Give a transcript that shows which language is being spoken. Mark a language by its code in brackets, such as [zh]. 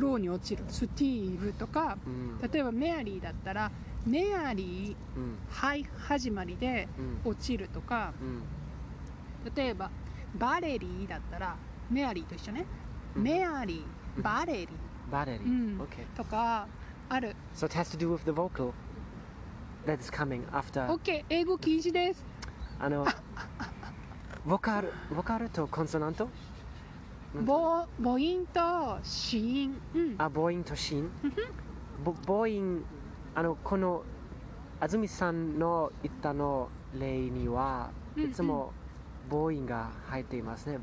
[ja] ローに落ちる、スティーブとか、うん、例えばメアリーだったらメアリー、うん、ハイ始まりで落ちるとか、うん、例えばバレリーだったらメアリーと一緒ね、うん、メアリー、バレリー、バレリー、うん、OK とかある。 [en] So it has to do with the vocal that is coming after。 [ja] OK、英語禁止です。あのボカルとコンソナント、ボインと子音、うん、あ、ボインと子音ボイン、あのこの安住さんの言ったの例にはいつもボインが入っていますね。